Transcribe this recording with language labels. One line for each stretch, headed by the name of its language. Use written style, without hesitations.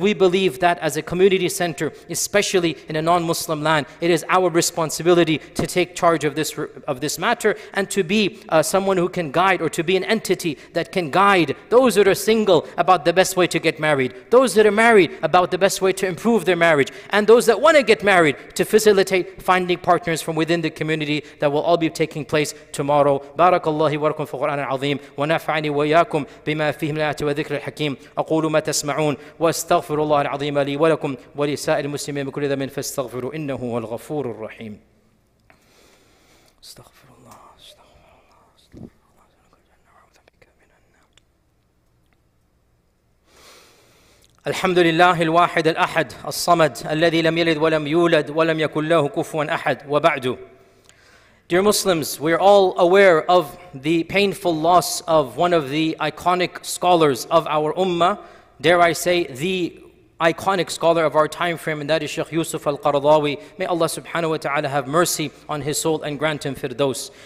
English: we believe that as a community center, especially in a non-Muslim land, it is our responsibility to take charge of this matter and to be someone who can guide, or to be an entity that can guide those that are single about the best way to get married, those that are married about the best way to improve their marriage, and those that want to get married to facilitate finding partners from within the community that will all be taking place tomorrow.
Arabic: Barakallahu wa lakum fi al-Qur'an al-Azim wa nafa'ani wa iyyakum bima fihi min ayati wa dhikri al-hakim. أقول ما تسمعون واستغفر الله العظيم لي ولكم ولسائر المسلمين بكل ذنب فاستغفروا إنه هو الغفور الرحيم. استغفر الله استغفر الله استغفر الله استغفر الله استغفر الله بك من النار. الحمد لله الواحد الأحد الصمد الذي لم يلد ولم يولد ولم يكن له كفوا أحد وبعد.
English: Dear Muslims, we are all aware of the painful loss of one of the iconic scholars of our ummah, dare I say, the iconic scholar of our time frame, and that is Shaykh Yusuf al-Qaradawi. May Allah subhanahu wa ta'ala have mercy on his soul and grant him firdaus.